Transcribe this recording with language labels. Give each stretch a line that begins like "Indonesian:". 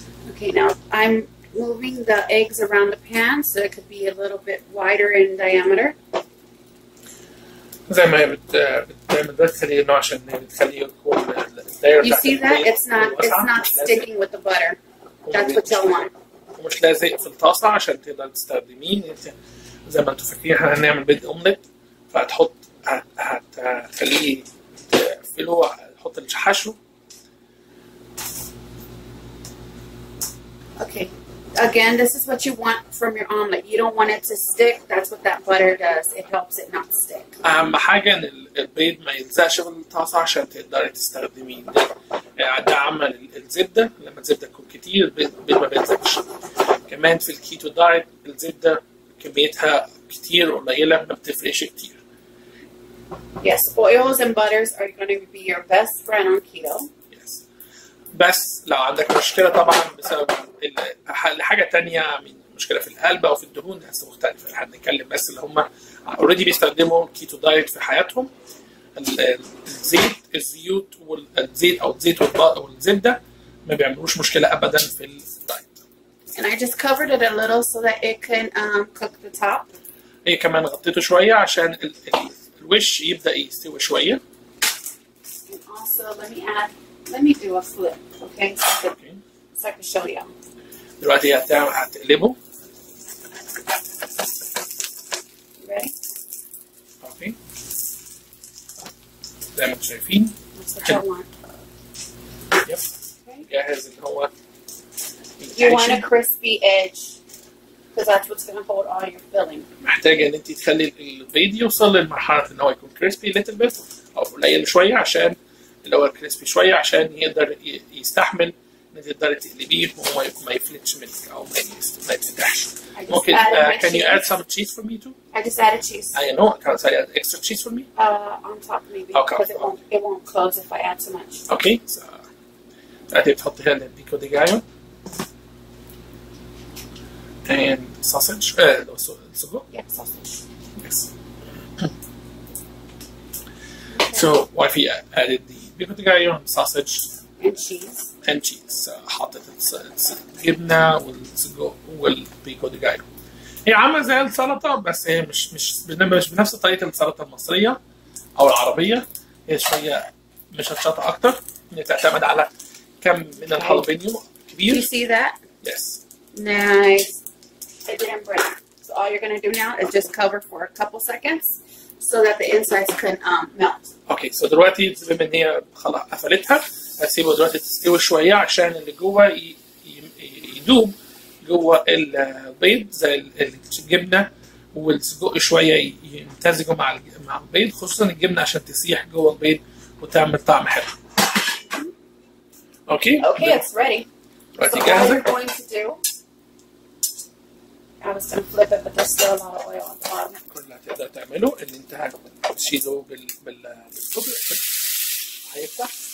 English: okay now I'm moving the eggs around the pan so it could be a little bit wider in diameter
Arabic: زي ما هي بتعمل بتخلي انه عشان بتخلي يكون
English: you see that it's not sticking with the butter that's what you want
Arabic: ومش لازق في الطاسة عشان تقدر تستخدميه انت زي ما انتوا فاكرين هنعمل بيض اومليت فهتحط هتخليه اللي هو حط الحشو
English: okay again this is what you want from your omelet you don't want it to stick that's what that butter does it helps it not stick
Arabic: اهم حاجه ان البيض ما يلزقش في الطاسه عشان تقدري تستخدميه ده عمل الزبده لما الزبده تكون كتير البيض ما بيلزقش كمان في الكيتو دايت الزبده كميتها كتير قليله ما بتفرقش كتير
English: Yes, oils and butters are going to be your best friend on keto. Yes.
Arabic: بس لو عندك مشكلة طبعا بسبب حاجة تانية من مشكلة في القلب أو في الدهون هسه مختلفة هنتكلم بس اللي هم
English: already
Arabic: بيستخدموا كيتو دايت في حياتهم الزيت الزيوت والزيت أو الزيت والزبدة ما بيعملوش مشكلة أبدا في الدايت.
English: And I just covered it a little so that it can cook the top.
Arabic: هي كمان غطيته شوية عشان الوش يبدا يستوي شويه
English: also let me do a flip okay so I can show you
Arabic: دلوقتي هتقلبه
English: ready
Arabic: okay زي ما انتم شايفين
English: yep
Arabic: okay. جاهز اللي هو
English: you want a crispy edge Because that's what's going to hold all your filling.
Arabic: محتاجة إن أنت تخلي البيض يوصل للمرحلة إن هو يكون
English: crispy little bit
Arabic: أو قليل شوية عشان اللي هو
English: crispy
Arabic: شوية عشان يقدر يستحمل إن أنت تقدر تقلبيه وهو ما يفلتش منك أو ما يتفتحش. ممكن
English: can you add some cheese for me too? I just added cheese. I know. Can I add extra cheese for me? On top maybe. Okay. Because it won't close if I add too much. Okay. So,
Arabic: أنت بتحط هنا البيكو دي جايو.
English: And sausage, also sugo? Yeah, sausage. Yes. Okay. So, wifey added the sausage and cheese. And cheese. It's gibna and sugo and pico de gallo.
Arabic: هي عامله زي السلطه بس هي مش بنفس طريقه السلطه المصريه او العربيه هي شويه مشطشطه اكتر هي تعتمد على كم من الهالبينيو كبير.
English: You see that? Yes. Nice. It didn't break. So all you're gonna do now is just cover for a couple seconds so that the insides can melt. Okay, so
Arabic: دلوقتي بما ان هي خلاص قفلتها هسيبه دلوقتي تستوي شوية عشان اللي جوه يدوب جوه البيض زي الجبنة والسجق شوية يمتزجوا مع البيض خصوصا الجبنة عشان تسيح جوه البيض وتعمل طعم حلو.
English: Okay. Okay, it's ready. Ready, so guys. What you're going to do? I was gonna flip it, but there's still a lot of oil on the bottom.
Arabic: كل اللي تقدر تعمله إن أنت هتشيله بالطبق هيفتح.